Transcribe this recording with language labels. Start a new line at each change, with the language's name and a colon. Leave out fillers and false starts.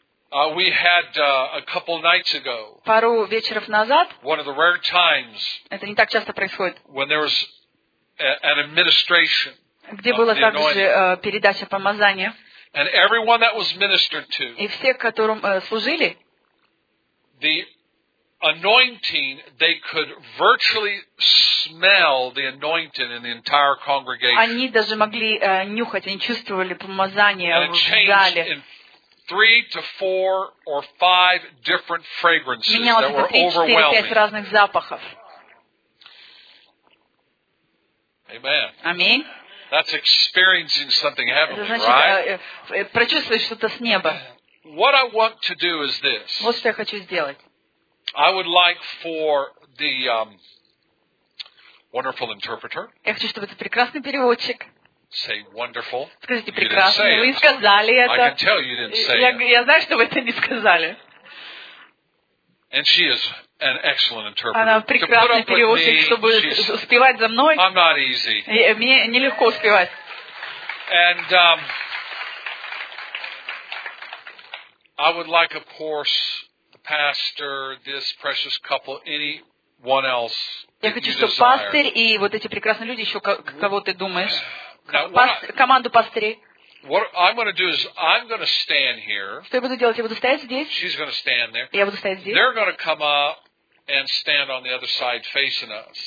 English: We had a couple nights ago.
Russian: Пару вечеров назад.
English: One of the rare times.
Russian: Это не так часто происходит.
English: When there was an administration.
Russian: Где было также передача помазания.
English: And everyone that was ministered to.
Russian: И все, которым служили.
English: The anointing, they could virtually smell the anointing in the entire congregation.
Russian: Они даже могли нюхать, они чувствовали помазание в зале.
English: In 3 to 4 or 5 different fragrances that were overwhelming.
Russian: Менялось 3-5 разных запахов.
English: Amen.
Russian: Amen.
English: That's experiencing something heavenly,
Russian: это значит,
English: right?
Russian: Прочувствовать что-то с неба.
English: What I want to do is this.
Russian: Вот что я хочу сделать.
English: I would like for the wonderful interpreter.
Russian: Я хочу, чтобы этот прекрасный переводчик
English: say wonderful.
Russian: Скажите прекрасно. Вы сказали это.
English: I can tell you didn't say it.
Russian: Я знаю, что вы это не сказали.
English: And she is an excellent interpreter.
Russian: Она прекрасный переводчик, чтобы успевать за мной.
English: I'm not easy.
Russian: Мне нелегко успевать.
English: And I would like, of course, the pastor, this precious couple, anyone else.
Russian: Я хочу, чтобы пастор и вот эти прекрасные люди, еще кого ты думаешь, команду пастырей.
English: What I'm going to do is I'm going to stand here.
Russian: Что я буду делать? Я буду стоять здесь.
English: She's going to stand there.
Russian: Я буду стоять здесь.
English: They're going to come up and stand on the other side facing us.